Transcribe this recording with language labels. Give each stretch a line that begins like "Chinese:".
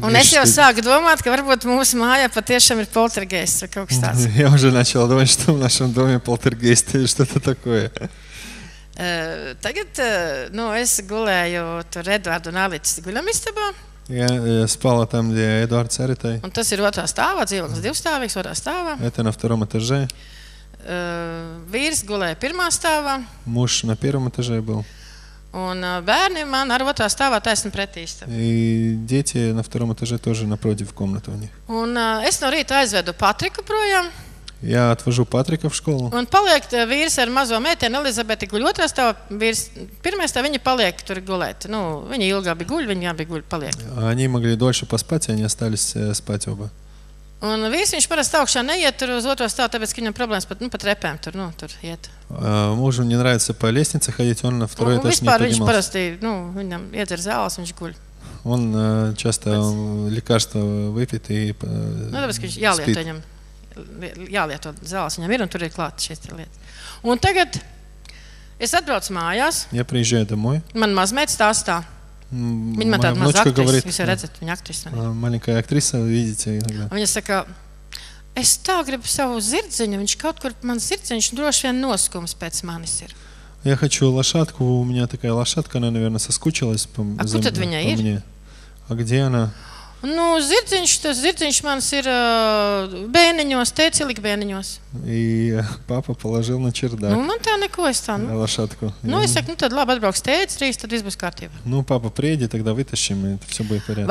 Russian: Он начал сагу думать, как будто мы с мамой потешим и полтергейст. Я уже начал думать, что в нашем доме полтергейст или что-то такое.
Latvian: Tagad, ну, es gulēju tur Eduardu un Alicis guļamistabā.
Russian: Я спала там, где Эдуард с Аритой.
Latvian: Un tas ir otrā stāvā, dzīvoklis divstāvīgs, otrā stāvā.
Russian: Это на втором этаже.
Latvian: Vīrs gulēja pirmā stāvā.
Russian: Муж на первом этаже был.
Latvian: Un bērni man ar otrā stāvā taisni pretīstam.
Russian: И дети на втором этаже тоже напротив комнаты у них.
Latvian: Un es no rīta aizvedu Patriku projām.
Russian: Я отвожу Патрика в школу.
Latvian: Un paliek vīrs ar mazo meiteni Elizabeti guļ otrā stāvā, vīrs pirmā stāvā viņi paliek tur gulēt. Nu, viņi ilgāk guļ, viņi abi guļ paliek.
Russian: Они могли дольше поспать, они остались спать оба.
Latvian: Un vīrs viņš parasti augšā neiet tur uz otro stāvu, tāpēc ka viņam problēmas pat, nu, pa trepēm tur, nu, tur iet.
Russian: Мужу не нравится по лестнице ходить, он на второй этаж не поднимался.
Latvian: Вispār parasti, nu, viņam iedzer zāles, viņš guļ.
Russian: Он часто лекарства выпит и
Latvian: Ну, tāpēc ka viņš jālieto viņam, jālieto zāles viņam ir, un tur ir klāt šīs lietas. Un tagad es atbraucu mājās.
Russian: Я приезжаю домой.
Latvian: Man mazmeita stāstā. Viņa man tāda maza aktrisa, jūs jau redzat, viņa aktrisa.
Russian: Маленькая актриса, видите.
Latvian: Viņa saka, es tā gribu savu zirdziņu, viņš kaut kur man zirdziņš droši vien noskums pēc manis ir.
Russian: Я хочу лошадку, у меня такая лошадка, она, наверное, соскучилась по мне.
Latvian: А kur tad viņa ir?
Russian: А где она?
Latvian: Nu, zirdziņš, tas zirdziņš mans ir bēniņos, tēcilik bēniņos.
Russian: И папа положил на чердак.
Latvian: Nu, man tā neko, es tā.
Russian: Лошадку.
Latvian: Nu, es saku, nu, tad labi atbrauks tēcis rīs, tad viss būs kārtībā.
Russian: Nu, папа, приеди, тогда вытащим, и все будет порядок.